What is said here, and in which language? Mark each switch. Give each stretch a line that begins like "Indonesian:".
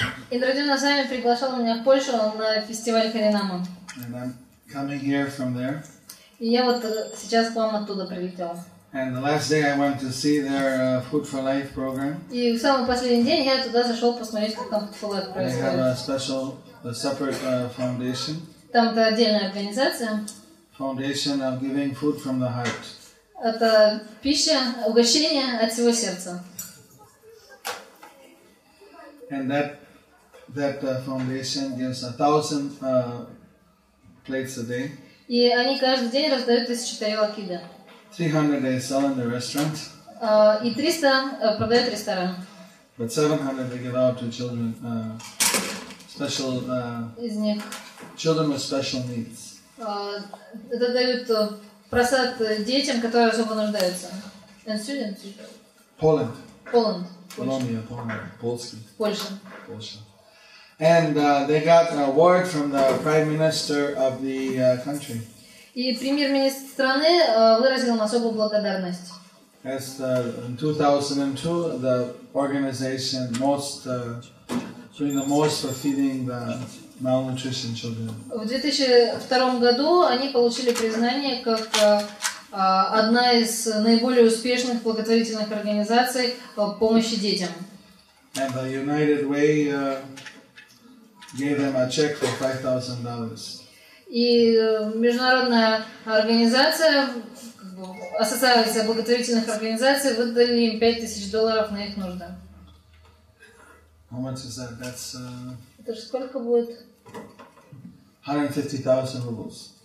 Russian: Indrajana сами приглашал меня в Польшу на фестиваль Харинама.
English: And I'm coming here from there.
Russian: И я вот сейчас к вам оттуда прилетел.
English: And the last day I went to see their Food for Life program.
Russian: И в самый последний день я туда зашел посмотреть, как там Food for Life происходит.
English: They have a special, a separate foundation.
Russian: Там это отдельная организация.
English: Foundation of giving food from the heart.
Russian: Это пища, угощение от всего сердца.
English: And that foundation gives 1,000 plates a day.
Russian: И они каждый день раздают 1,000 тарелок еды.
English: 300 they sell in the restaurant.
Russian: И 300 продают ресторан.
English: But 700 they give out to children, special.
Russian: Из них.
English: Children with special needs.
Russian: Это дают просад детям, которые особо нуждаются.
English: And students. Poland. Poland. Polonia, Poland, Polski.
Russian: Польша. Польша.
English: And they got an award from the prime minister of the country.
Russian: И премьер-министр страны выразил им особую благодарность.
English: As the, in 2002, the organization most doing the most for feeding the malnutrition children.
Russian: В 2002 году они получили признание как одна из наиболее успешных благотворительных организаций по помощи детям.
English: And the United Way gave them a check for $5,000.
Russian: И международная организация, ассоциация благотворительных организаций, выдали им $5,000 на их нужды.
English: How much is that? That's,
Russian: это же сколько будет?
English: 150,000 rubles.